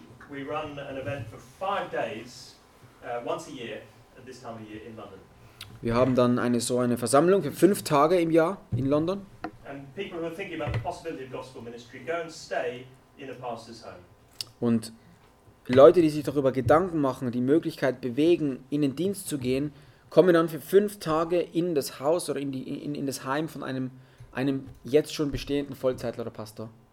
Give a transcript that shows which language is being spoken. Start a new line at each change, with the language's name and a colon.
English: We run an event for 5 days once a year at this time of year in London.
German: Wir haben dann eine Versammlung für 5 Tage im Jahr in London.
English: And people who are thinking about the possibility of gospel ministry go and stay in a pastor's home.
German: Und Leute, die sich darüber Gedanken machen, die Möglichkeit bewegen, in den Dienst zu gehen, kommen dann für 5 Tage in das Haus oder in das Heim von einem jetzt schon bestehenden Vollzeitler oder Pastor.